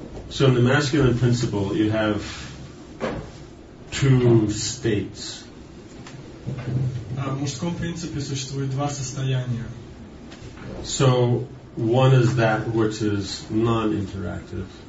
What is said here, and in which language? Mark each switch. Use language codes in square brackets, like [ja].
[en] So in the masculine principle, you have two states. [ru] В мужском принципе существует два состояния. [en] So one is that which is non-interactive.